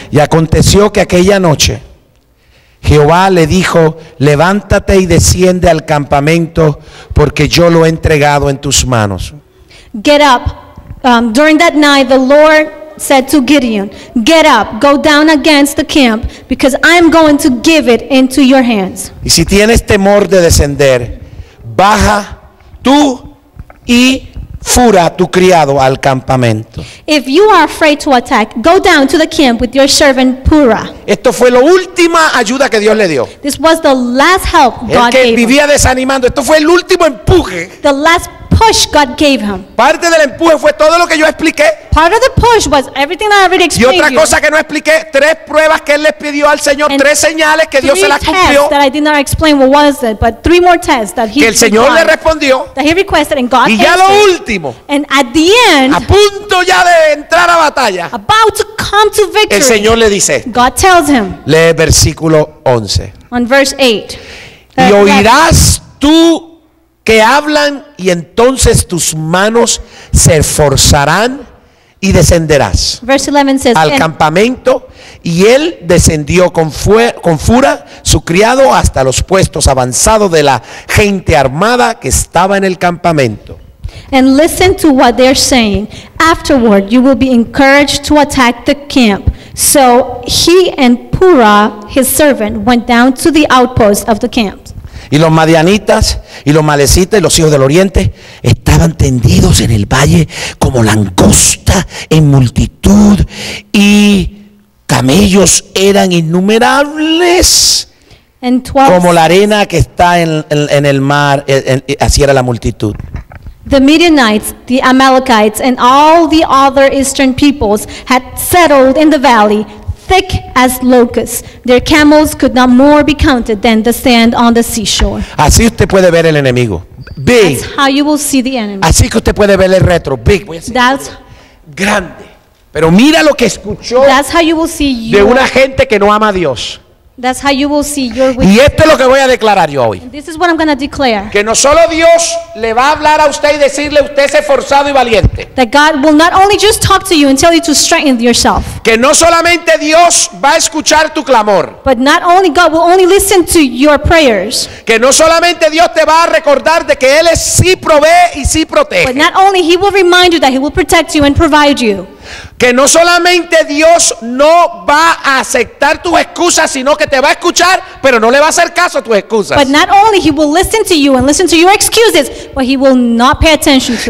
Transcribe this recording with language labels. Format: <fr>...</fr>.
<es>Y aconteció que aquella noche Jehová le dijo, levántate y desciende al campamento porque yo lo he entregado en tus manos.</es> <en>Get up. During that night the Lord said to Gideon, get up, go down against the camp because I am going to give it into your hands.</en> <es>Y si tienes temor de descender, baja tú y Fura, tu criado, al campamento.</es> <en>If you are afraid to attack, go down to the camp with your servant Pura.</en> <es>Esto fue la última ayuda que Dios le dio.</es> <en>This was the last help God gave him.</en> <es>El que vivía desanimando, esto fue el último empuje.</es> <en>The last push God gave him.</en> <es>Parte del empuje fue todo lo que yo expliqué.</es> <en>Part of the push was everything that I already explained.</en> <es>Y otra cosa que no expliqué, tres pruebas que él le pidió al Señor, tres señales que Dios se las cumplió.</es> <en>Three tests that I did not explain what was it, but three more tests that he</en> <es>que el Señor le respondió.</es> <en>That he requested and God answered.</en> <es>Y ya lo último.</es> <en>And at the end.</en> <es>A punto ya de entrar a batalla.</es> <en>About to come to victory.</en> <es>El Señor le dice.</es> <en>God tells him.</en> <es>Lee versículo 11.</es> <en>On verse</en> <es>8. Y oirás tú que hablan y entonces tus manos se esforzarán y descenderás.</es> <en>Verse 11 says,</en> <es>al campamento y él descendió con fura su criado hasta los puestos avanzados de la gente armada que estaba en el campamento.</es> <en>And listen to what they're saying. Afterward, you will be encouraged to attack the camp. So he and Pura, his servant, went down to the outpost of the camp.</en> <es>Y los madianitas y los malecitas y los hijos del oriente estaban tendidos en el valle como langosta en multitud, y camellos eran innumerables.</es> <en>And 12,</en> <es>como la arena que está en el mar, así era la multitud.</es> <en>The Midianites, the Amalekites, and all the other eastern peoples had settled in the valley, thick as locusts. Their camels could not more be counted than the sand on the seashore.</en> <es>Así usted puede ver el enemigo. Big.</es> <en>That's how you will see the enemy.</en> <es>Así que usted puede ver el retro. Big.</es> <en>That's</en> <es>grande. Pero mira lo que escuchó.</es> <en>That's how you will see you.</en> <es>De una gente que no ama a Dios.</es> <en>That's how you will see your</en> <es>witness. Y esto es lo que voy a declarar yo hoy.</es> <en>And this is what I'm going to declare.</en> <es>Que no solo Dios le va a hablar a usted y decirle usted es esforzado y valiente.</es> <en>That God will not only just talk to you and tell you to strengthen yourself.</en> <es>Que no solamente Dios va a escuchar tu clamor.</es> <en>But not only God will only listen to your prayers.</en> <es>Que no solamente Dios te va a recordar de que Él es sí provee y sí protege.</es> <en>But not only He will remind you that He will protect you and provide you.</en> <es>Que no solamente Dios no va a aceptar tus excusas, sino que te va a escuchar, pero no le va a hacer caso a tus excusas.</es> <en>But not only He will listen to you and listen to your excuses, but He will not pay attention to</en>